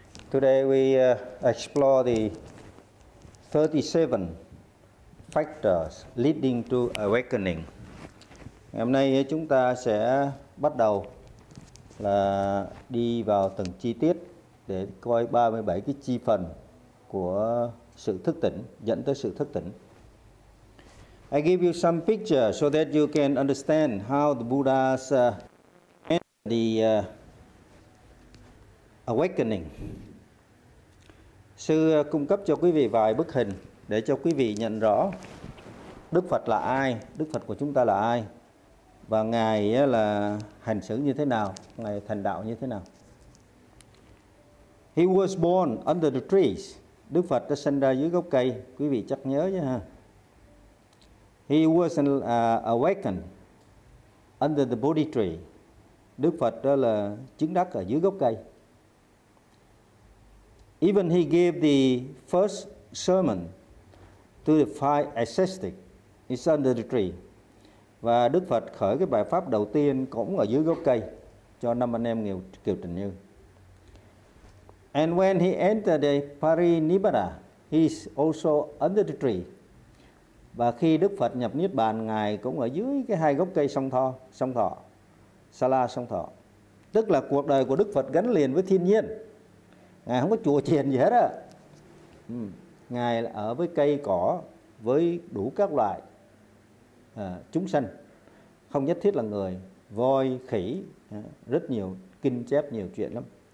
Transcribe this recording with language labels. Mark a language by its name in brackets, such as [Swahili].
[English] Today we explore the 37 factors leading to awakening. [Vietnamese] Hôm nay chúng ta sẽ bắt đầu là đi vào từng chi tiết để coi 37 cái chi phần của sự thức tỉnh, dẫn tới sự thức tỉnh. [English] I give you some picture so that you can understand how the Buddha's awakening. [Vietnamese] Sư cung cấp cho quý vị vài bức hình để cho quý vị nhận rõ Đức Phật là ai, Đức Phật của chúng ta là ai, và ngài là hành xử như thế nào, ngài thành đạo như thế nào. [English] He was born under the trees. [Vietnamese] Đức Phật đã sinh ra dưới gốc cây, quý vị chắc nhớ chứ ha. [English] He was awakened under the Bodhi tree. [Vietnamese] Đức Phật đó là chứng đắc ở dưới gốc cây. [English] Even he gave the first sermon to the five ascetics. It's under the tree. [Vietnamese] Và Đức Phật khởi cái bài pháp đầu tiên cũng ở dưới gốc cây cho năm anh em Kiều Trình Như. [English] And when he entered the Parinibbana, he's also under the tree. [Vietnamese] Và khi Đức Phật nhập Niết Bàn, ngài cũng ở dưới cái hai gốc cây sông Thọ, Sala sông Thọ. Tức là cuộc đời của Đức Phật gắn liền với thiên nhiên. Ngài không có chùa chiền gì hết á. Ngài ở với cây cỏ, với đủ các loại chúng sanh, không nhất thiết là người, voi, khỉ, rất nhiều, kinh chép nhiều chuyện lắm.